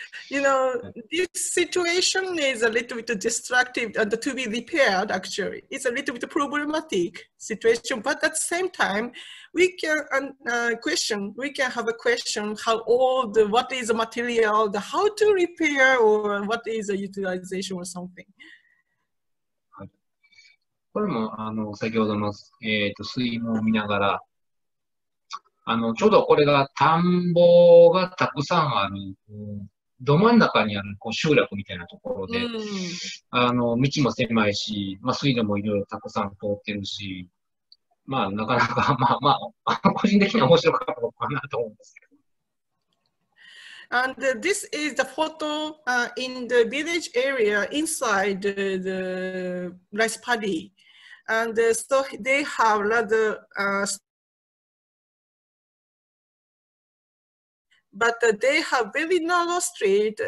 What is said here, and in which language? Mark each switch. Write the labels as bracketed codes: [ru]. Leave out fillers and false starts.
[en] You know, this situation is a little bit destructive and to be repaired actually. It's a little bit problematic situation, but at the same time, we can question, we can have a question how old, what is the material, the how to repair or what is the utilization or something. [ja] これもあの先ほどの、水門を見ながらあのちょうどこれが田んぼがたくさんあるど真ん中にあるこう集落みたいなところで、あの道も狭いし、まあ、水路もいろいろたくさん通ってるし、まあなかなかまあまあ個人的には面白かったかなと思うんですけど。 [en] And this is the photo in the village area inside the rice paddy, and so they have rather But they have very narrow street.